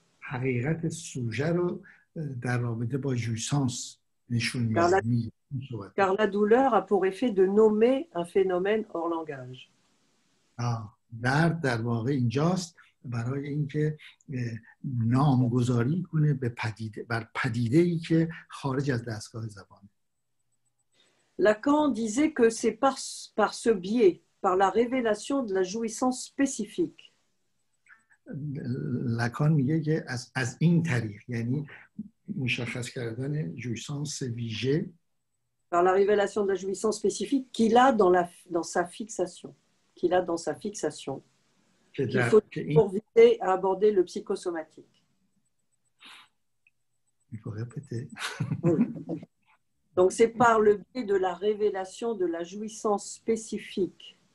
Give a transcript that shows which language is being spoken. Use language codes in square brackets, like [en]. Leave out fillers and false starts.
[fa] حقیقت سوژه رو در رابطه با جویسانس نشون میده. [fr] Car la douleur a pour effet de nommer un phénomène hors langage. [fa] درد در واقع اینجاست برای اینکه نامگذاری کنه به پدیده بر پدیده‌ای که خارج از دستگاه زبان. [fr] Lacan disait que c'est par ce biais, par la révélation de la jouissance spécifique. [fa] لکان میگه که از این طریق یعنی مشخص کردن جویسانس ویژه [fr] par la révélation de la jouissance spécifique qu'il a dans la dans sa fixation qu'il a dans sa fixation il faut pour viser à aborder le psychosomatique il faut répéter donc c'est par le biais de la révélation de la jouissance spécifique